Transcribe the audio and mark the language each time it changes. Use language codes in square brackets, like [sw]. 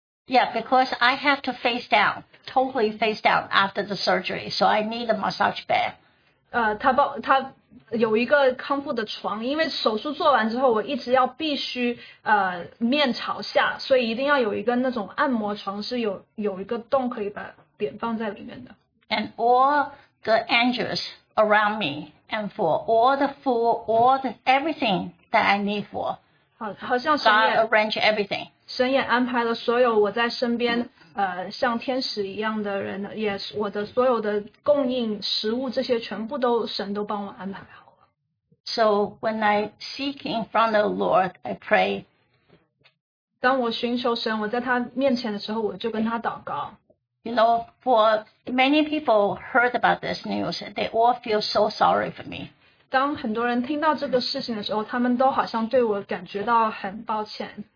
[en] Yeah, because I have to face down, totally face down after the surgery, so I need a massage bed. [zh] 他有一个康复的床，因为手术做完之后，我一直要必须面朝下，所以一定要有一个那种按摩床，是有一个洞可以把脸放在里面的。 [en] And all the angels around me, and for all the food, all the everything that I need for, [zh] 好像神也, [en] God arranged everything. [zh] 神也安排了所有我在身边, 像天使一样的人, 也我的所有的供应, 食物, 这些全部都, 神都帮我安排好了。 [en] So when I seek in front of the Lord, I pray. [zh] 当我寻求神, 我在他面前的时候, 我就跟他祷告。 [en] You know, for many people heard about this news, they all feel so sorry for me. [zh] 当很多人听到这个事情的时候, 他们都好像对我感觉到很抱歉。